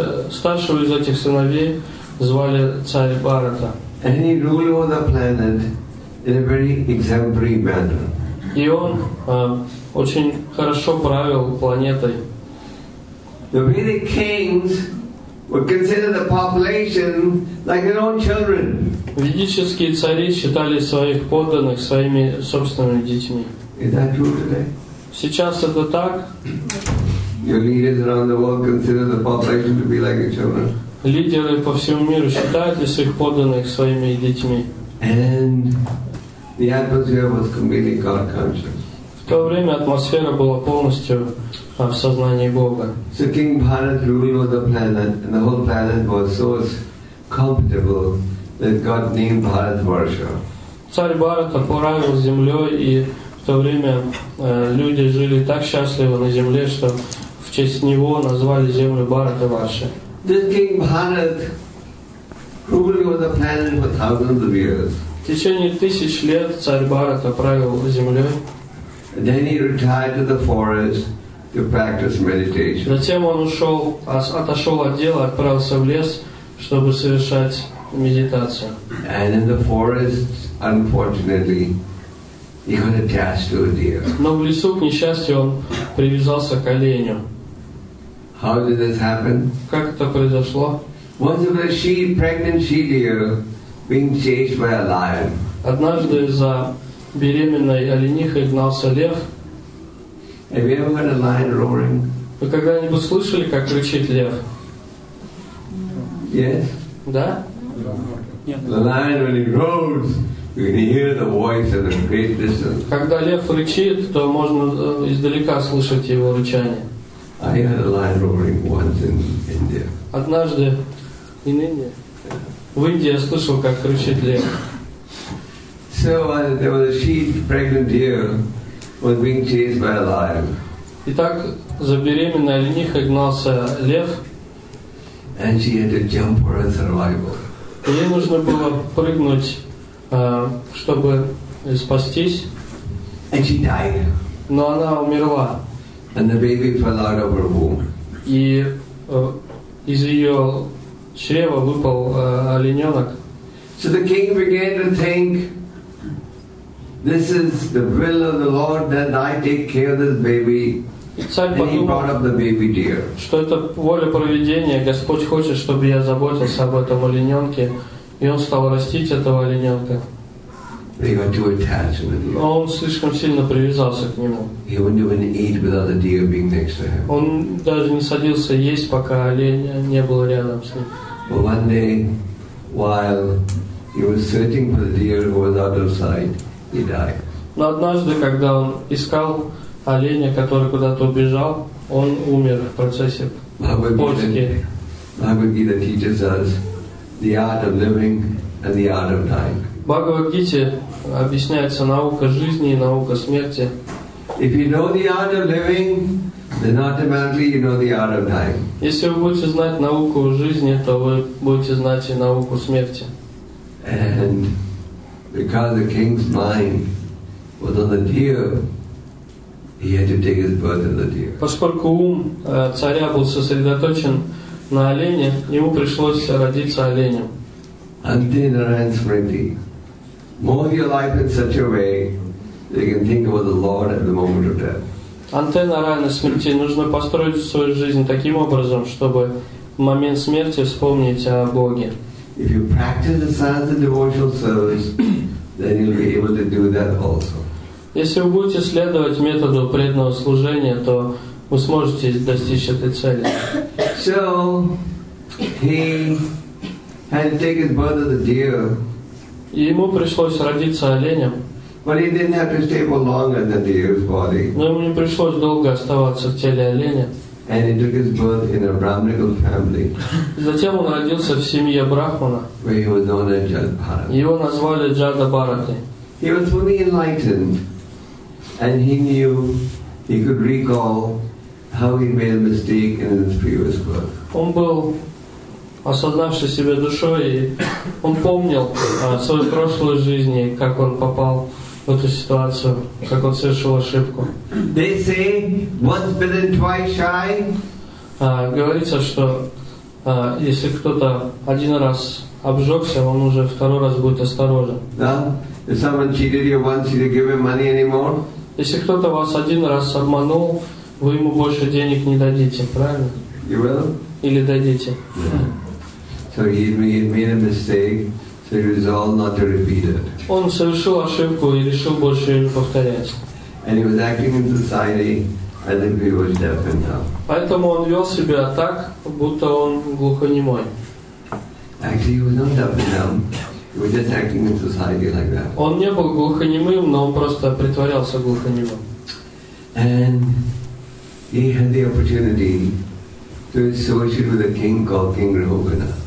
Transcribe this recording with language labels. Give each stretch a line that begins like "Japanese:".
Russian: Старшего из этих сыновей звали царь Барата.
English: And he ruled over the planet in a very exemplary manner.
Russian: И он очень хорошо правил планетой.
English: The Vedic kings would consider the population like their own children.
Russian: Ведические цари считали своих подданных своими собственными детьми.
English: Is that true today?
Russian: Сейчас это так?
English: Your leaders around the world consider the population to be like a children.
Russian: Лидеры по всему миру считают ли своих подданных своими детьми?
English: And the atmosphere was completely God conscious.
Russian: В то время атмосфера была полностью в сознании Бога.
English: So King Bharat ruled over the planet, and the whole planet was so comfortable that God named Bharat Varsha.
Russian: Царь Бхарата правил землей, и в то время люди жили так счастливо на земле, что в честь него назвали землю Бхарата Варша.
English: This King Bharat ruled over the planet for thousands of years.
Russian: В течение тысяч лет царь Бхарата правил землей.
English: Then he retired to the forest to practice meditation.
Russian: Затем он ушел, отошел от дела, отправился в лес, чтобы совершать медитацию.
English: And in the forest, unfortunately, he got attached to a deer.
Russian: Но в лесу, к несчастью, он привязался к оленю.
English: How did this happen?
Russian: Как это произошло?
English: Once a sheep, pregnant she deer, being chased by a lion.
Russian: Однажды за беременной оленихой гнался лев.
English: Have you ever heard a lion roaring?
Russian: Вы когда-нибудь слышали, как кричит лев?
English: Yes.
Russian: Да?
English: The lion when he roars, you can hear the voice at a great distance.
Russian: Когда лев рычит, то можно издалека слышать его рычание.
English: I heard a lion roaring once in India.
Russian: Однажды
English: in India.
Russian: В Индии я слышал, как кричит лев.
English: So there was a sheep, pregnant deer, was being chased by a lion.
Russian: Итак, за беременной оленихой гнался лев.
English: And she had to jump for her survival.
Russian: Ей нужно было прыгнуть, чтобы спастись.
English: And she died.
Russian: Но она умерла.
English: And the baby fell out of her womb.
Russian: И из ее чрева выпал олененок.
English: So the king began to think, this is the will of the Lord that I take care of this baby. And
Russian: подумал,
English: he brought up the baby deer.
Russian: Что это воля проведения, Господь хочет, чтобы я заботился об этом олененке. И он стал растить этого олененка.
English: He got too attached with him.
Russian: Он слишком сильно привязался к нему.
English: He wouldn't even eat without the deer being next to him.
Russian: Он даже не садился есть, пока олень не был рядом с ним.
English: But one day, while he was searching for the deer who was out of sight, he died.
Russian: Но однажды, когда он искал оленя, который куда-то убежал, он умер в процессе поиски.
English: Bhagavad Gita teaches us the art of living and the art of dying.
Russian: Бхагавад Гите объясняется наука жизни и наука смерти.
English: If you know the art of living, then automatically you know the art of dying.
Russian: Если вы будете знать науку жизни, то вы будете знать и науку смерти.
English: And because the king's mind was on the deer, he had to take his burden on the deer.
Russian: Поскольку ум царя был сосредоточен на олене, ему пришлось родиться оленем.
Sanskrit: Antinarayan Smriti.
English: Move your life in such a way that you can think about the Lord at the moment of death.
Russian: Антенна рана смерти. Нужно построить свою жизнь таким образом, чтобы в момент смерти вспомнить о Боге.
English: If you practice the science of devotional service, then you'll be able to do that also.
Russian: Если вы будете следовать методу преданного служения, то вы сможете достичь этой цели.
English: So he had to take his brother the deer.
Russian: И ему пришлось родиться оленем.
English: But he didn't have to stay for longer than the deer's body.
Russian: Но ему не пришлось долго оставаться в теле оленя.
English: And he took his birth in a Brahminical family.
Russian: Затем он родился в семье брахмана.
English: Where he was known as Jadabharati.
Russian: Его назвали Джадабарати.
English: He was fully enlightened, and he knew he could recall how he made a mistake in his previous birth.
Russian: Он был осознавший себя душой, и он помнил свою прошлую жизнь, как он попал в эту ситуацию, как он совершил ошибку.
English: They say once bitten twice shy.
Russian: Говорится, что если кто-то один раз обжегся, он уже второй раз будет осторожен. Да?
English: If someone cheated you once, you give him money anymore?
Russian: Если кто-то вас один раз обманул, вы ему больше денег не дадите, правильно?
English: You will?
Russian: Или дадите?
English: Yeah. So he made a mistake. So he resolved not to repeat it.
Russian: Он совершил ошибку и решил больше не повторять.
English: And he was acting in society as if he was deaf and dumb.
Russian: Поэтому он вел себя так, будто он глухонемой.
English: Actually, he was not deaf and dumb. He was just acting in society like that.
Russian: Он не был глухонемым, но он просто притворялся глухонемым.
English: And he had the opportunity to associate with a king called King Rahugana.